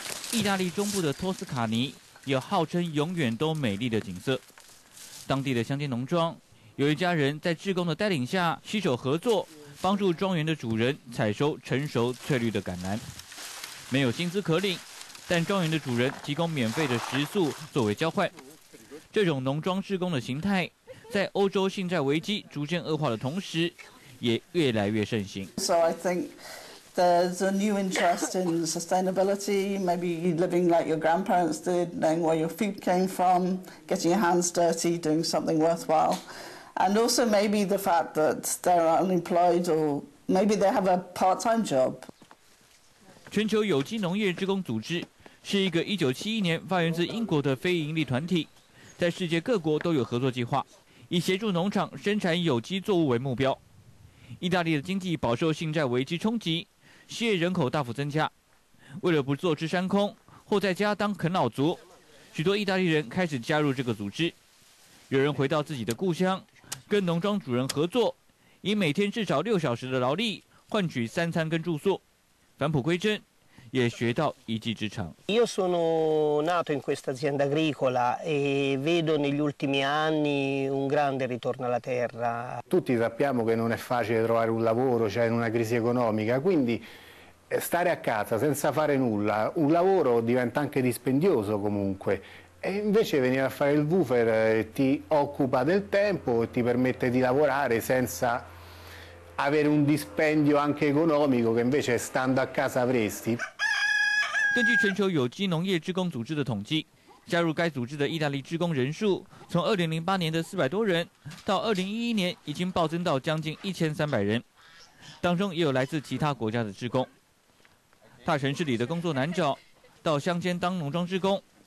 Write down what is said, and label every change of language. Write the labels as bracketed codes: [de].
[zh] 意大利中部的托斯卡尼有号称永远都美丽的景色，当地的乡间农庄有一家人在志工的带领下携手合作，帮助庄园的主人采收成熟翠绿的橄榄。没有薪资可领，但庄园的主人提供免费的食宿作为交换。这种农庄志工的形态在欧洲信债危机逐渐恶化的同时也越来越盛行。 [en] So I think there's a new interest in sustainability, maybe living like your grandparents did, knowing where your food came from, getting your hands dirty, doing something worthwhile. And also maybe the fact that they're unemployed or maybe they have a part-time job. [zh] 全球有机农业志工组织是一个1971年发源自英国的非营利团体，在世界各国都有合作计划，以协助农场生产有机作物为目标。意大利的经济饱受信债危机冲击，失业人口大幅增加，为了不坐吃山空或在家当啃老族，许多意大利人开始加入这个组织。有人回到自己的故乡，跟农庄主人合作，以每天至少6小时的劳力换取三餐跟住宿，返璞归真，也学到一技之长。 [it] Io sono nato in questa azienda agricola e vedo negli ultimi anni un grande ritorno alla terra. Tutti sappiamo che non è facile trovare un lavoro, cioè in una crisi economica, quindi stare a casa senza fare nulla, un lavoro diventa anche dispendioso comunque. E invece venire a fare il woofer ti occupa del tempo e ti permette di lavorare senza avere un dispendio anche economico che invece stando a casa avresti. [zh] 根据全球有机农业志工组织的统计，加入该组织的意大利志工人数从2008年的400多人，到2011年已经暴增到将近1300人，当中也有来自其他国家的志工。大城市里的工作难找，到乡间当农庄志工。